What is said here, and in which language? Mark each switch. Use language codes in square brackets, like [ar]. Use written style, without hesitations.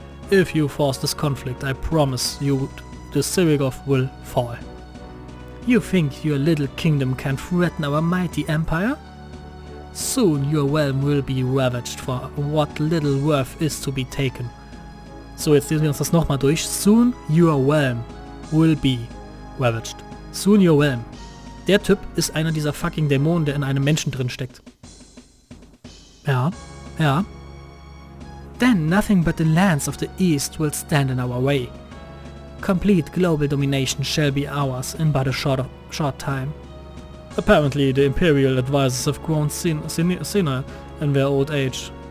[en] If you force this conflict, I promise you the Sirigoth will fall. You think your little kingdom can threaten our mighty empire? Soon your realm will be ravaged for what little worth is to be taken. [de] So, jetzt lesen wir uns das nochmal durch. [en] Soon your realm will be ravaged. Soon your realm. [de] Der Typ ist einer dieser fucking Dämonen, der in einem Menschen drin steckt. Ja, ja. [en] Then nothing but the lands of the East will stand in our way. Complete global domination shall be ours in but a short time. Apparently the Imperial advisors have grown senile in their old age.